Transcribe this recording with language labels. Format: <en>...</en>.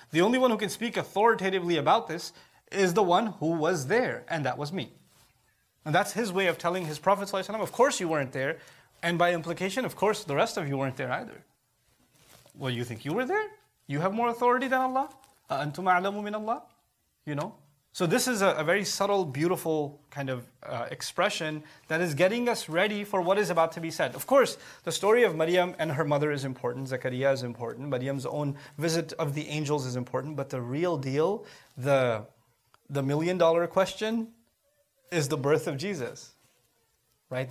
<en>The only one who can speak authoritatively about this is the one who was there, and that was me. And that's his way of telling his Prophet sallallahu alayhi wa sallam, of course you weren't there, and by implication, of course the rest of you weren't there either. Well, you think you were there? You have more authority than Allah?</en> <ar>أَنْتُمْ أَعْلَمُ مِنَ اللَّهِ</ar> <en>You know? So this is a very subtle, beautiful kind of expression that is getting us ready for what is about to be said. Of course, the story of Maryam and her mother is important. Zechariah is important. Maryam's own visit of the angels is important. But the real deal, the million-dollar question, is the birth of Jesus. Right?</en>